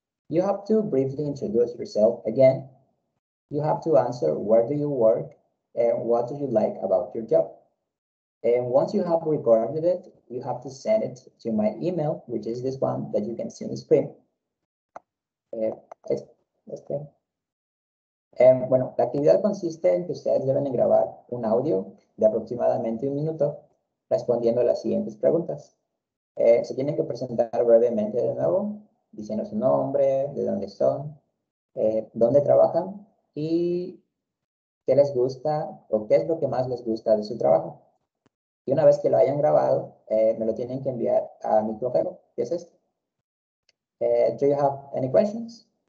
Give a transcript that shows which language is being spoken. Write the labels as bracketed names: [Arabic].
[English] You have to briefly introduce yourself again. You have to answer where do you work and what do you like about your job. And once you have recorded it, you have to send it to my email, which is this one that you can see on the screen. [Spanish] La actividad consiste en que ustedes deben grabar un audio de aproximadamente un minuto respondiendo las siguientes preguntas. Se tienen que presentar brevemente de nuevo, diciendo su nombre, de dónde son, dónde trabajan y qué les gusta o qué es lo que más les gusta de su trabajo. Y una vez que lo hayan grabado, me lo tienen que enviar a mi correo, que es este. [English] Do you have any questions?